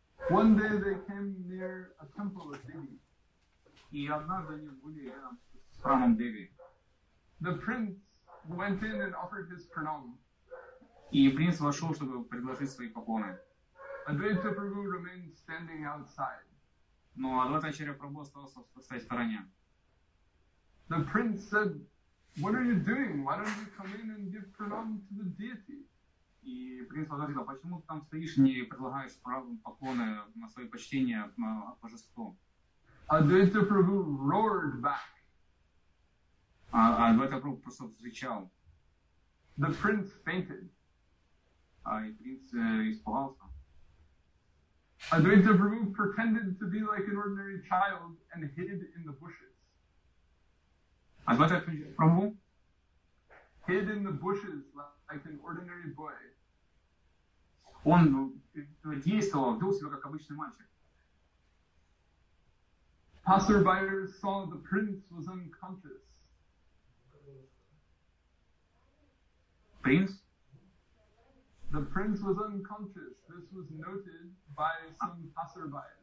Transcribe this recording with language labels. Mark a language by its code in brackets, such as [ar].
[en] One day they came near a temple of Devi. [ru] И однажды они были рядом с храмом Деви. [en] The prince went in and offered his pranam. [ru] И принц вошел, чтобы предложить свои поклоны. [en] Advaita Prabhu remained standing outside. [ru] Но Адвайта Ачарья Прабху остался стоять в стороне. [en] The prince said, "What are you doing? Why don't you come in and give pranam to the deity?" [ru] И принц возразил: "Почему ты там стоишь, не предлагаешь правым поклоны на свои почтения на божеству?" [en] Advaita Prabhu roared back. [ru] Адвайта Прабху просто вскричал. [en] The prince fainted. [ru] И принц испугался. [en] Advaita Prabhu pretended to be like an ordinary child and hid in the bushes. Advaita Prabhu? Hid in the bushes like an ordinary boy. [ru] Он действовал, вел себя как обычный мальчик. [en] Passersby saw the prince was unconscious. [ru] Принц? [en] The prince was unconscious. This was noted by some passersby.